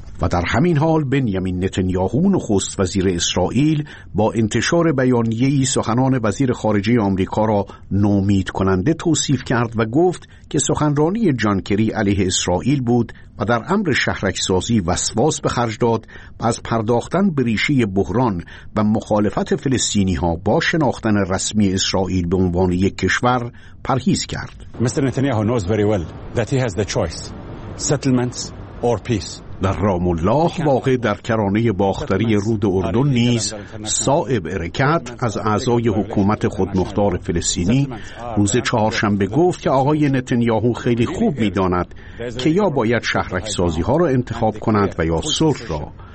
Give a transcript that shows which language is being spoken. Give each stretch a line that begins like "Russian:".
Persian: و در همین حال بنیامین نتانیاهو نخست وزیر اسرائیل با انتشار بیانیه‌ای سخنان وزیر خارجه آمریکا را نومید کننده توصیف کرد و گفت که سخنرانی جان کری علیه اسرائیل بود و در امر شهرک‌سازی وسواس به خرج داد و از پرداختن به ریشه بحران و مخالفت فلسطینی‌ها با شناختن رسمی اسرائیل به عنوان یک کشور پرهیز کرد.
English: Mister Netanyahu knows very well that he has the choice: settlements or peace.
Persian: در رام الله واقع در کرانه باختری رود اردن نیز صائب ارکات از اعضای حکومت خودمختار فلسطینی روز چهارشنبه گفت که آقای نتانیاهو خیلی خوب می‌داند که یا باید شهرک‌سازی‌ها را انتخاب کند و یا صلح را.